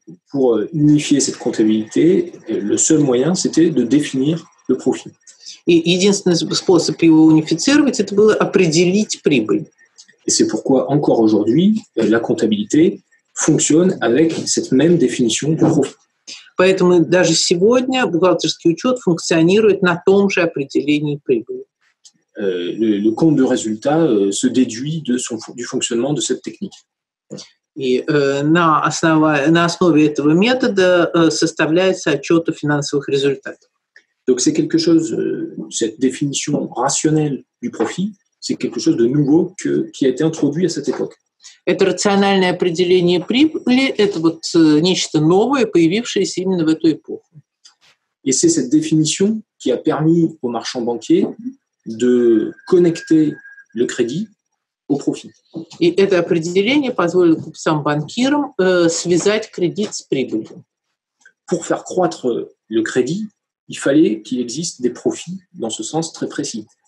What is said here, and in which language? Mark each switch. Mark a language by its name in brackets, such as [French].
[French] Pour unifier cette comptabilité, le seul moyen, c'était de définir le profit. [Russian] Et единственный способ его унифицировать, это было определить прибыль. [French] Et c'est pourquoi encore aujourd'hui, la comptabilité fonctionne avec cette même définition du profit. [Russian] Поэтому даже сегодня бухгалтерский учет функционирует на том же определении прибыли. [French] Le compte de résultat se déduit du fonctionnement de cette technique. [Russian] И на основе этого метода составляется отчет о финансовых результатах. [French] Donc c'est quelque chose, cette définition rationnelle du profit, c'est quelque chose de nouveau qui a été introduit à cette époque. [Russian] Это рациональное определение прибыли, это вот нечто новое, появившееся именно в эту эпоху. [French] Et c'est cette définition qui a permis aux marchands banquiers de connecter le crédit au profit. [Russian] И это определение позволило купцам-банкирам связать кредит с прибылью. [French] Pour faire croître le crédit, il fallait qu'il existe des profits dans ce sens très précis.